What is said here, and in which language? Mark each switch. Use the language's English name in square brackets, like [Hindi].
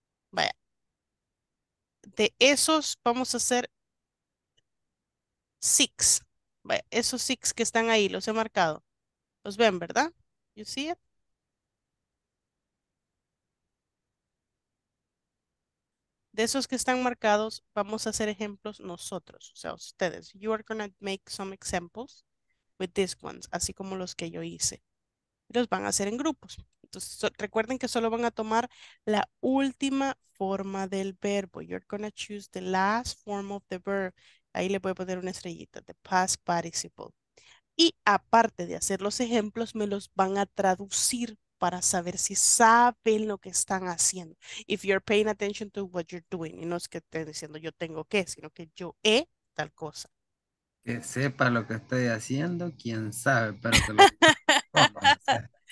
[Spanish] Vaya. De esos vamos a hacer 6. Vaya, esos 6 que están ahí, los he marcado. Los ven, ¿verdad? [English] You see it? [Spanish] De esos que están marcados, vamos a hacer ejemplos nosotros. O sea, ustedes. [English] You are going to make some examples with these ones. [Spanish] Así como los que yo hice. Los van a hacer en grupos. Entonces, recuerden que solo van a tomar la última forma del verbo. [English] You're going to choose the last form of the verb. [Spanish] Ahí le voy a poner una estrellita. [English] The past participle. [Spanish] Y aparte de hacer los ejemplos, me los van a traducir para saber si saben lo que están haciendo. [English] If you're paying attention to what you're doing. [Spanish] Y no es que esté diciendo yo tengo que, sino que yo he tal cosa. Que sepa lo que estoy haciendo, quién sabe, pero que lo vamos a hacer.